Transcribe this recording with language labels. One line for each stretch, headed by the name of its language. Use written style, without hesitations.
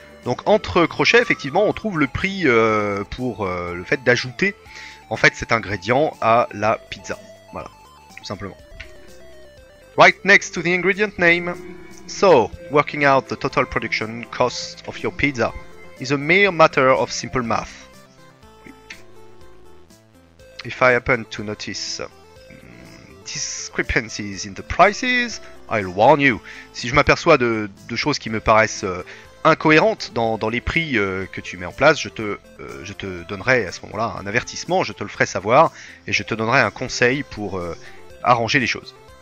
French: Donc entre crochets, effectivement, on trouve le prix pour le fait d'ajouter, en fait, cet ingrédient à la pizza. Voilà, tout simplement.
English: Right next to the ingredient name. So, working out the total production cost of your pizza is a mere matter of simple math. If I happen to notice discrepancies in the prices, I'll warn you.
French: Si je m'aperçois de choses qui me paraissent incohérentes dans les prix que tu mets en place, je te donnerai à ce moment-là un avertissement, je te le ferai savoir, et je te donnerai un conseil pour arranger les choses.